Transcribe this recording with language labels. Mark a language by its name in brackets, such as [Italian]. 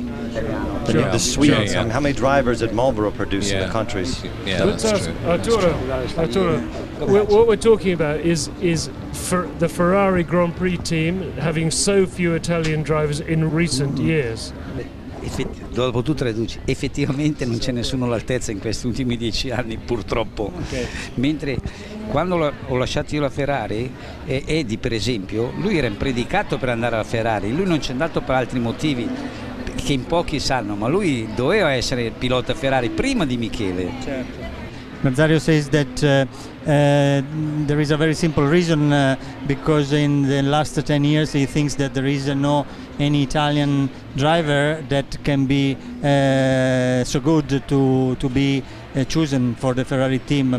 [English] The Swedes. Yeah. I mean, how many drivers did Marlboro produce in the countries? Yeah, that's true. Arturo, what we're talking about is for the Ferrari Grand Prix team having so few Italian drivers in recent years. [Italian] Dopo tu traduci, effettivamente non c'è nessuno all'altezza in questi ultimi 10 anni, purtroppo. Mentre quando ho lasciato io la Ferrari, Eddie per esempio, lui era predicato per andare alla Ferrari, lui non c'è andato per altri motivi che in pochi sanno, ma lui doveva essere il pilota Ferrari prima di Michele. Certo. [English] Nazario says that there is a very simple reason, because in the last 10 years he thinks that there is no any Italian driver that can be so good to be chosen for the Ferrari team.